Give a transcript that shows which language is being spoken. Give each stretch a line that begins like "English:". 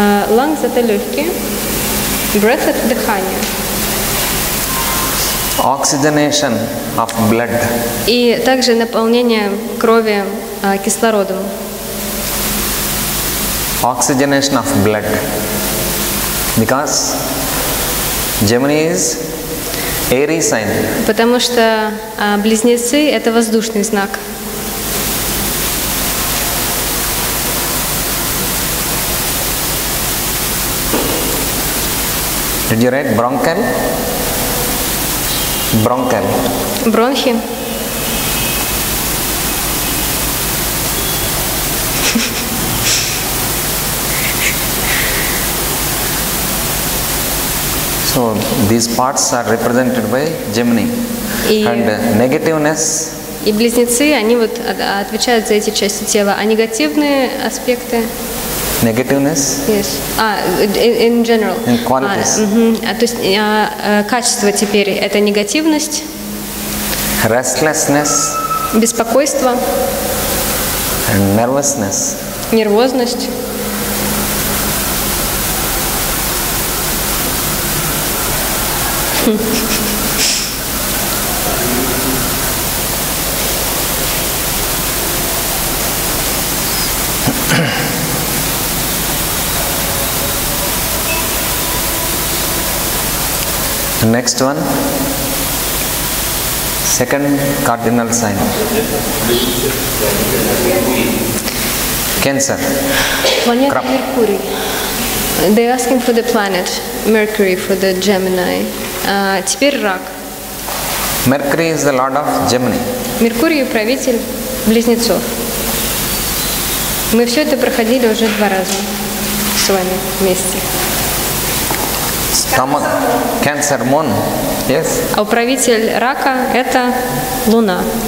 Russian: Lungs это легкие. Breath – это дыхание.
English: Oxygenation of blood.
Russian: И также наполнение крови кислородом.
English: Oxygenation of blood. Because Gemini is Aries sign.
Russian: Потому что близнецы – это воздушный знак.
English: Did you write bronchial? Bronchial.
Russian: Бронхи.
English: So these parts are represented by Gemini. And negativeness.
Russian: И близнецы, они вот отвечают за эти части тела. А негативные аспекты?
English: Negativeness? Yes. In general. In qualities.
Russian: То есть качество теперь – это негативность.
English: Restlessness.
Russian: Беспокойство.
English: And nervousness.
Russian: Нервозность.
English: The next one, second cardinal sign, Cancer. Planet Mercury. They're asking for the planet Mercury for the Gemini.
Russian: Теперь рак.
English: Mercury is the lord of Gemini.
Russian: Меркурий – правитель близнецов. Мы все это проходили уже два раза с вами вместе.
English: Stomach, cancer, moon. Yes.
Russian: А управитель рака – это луна.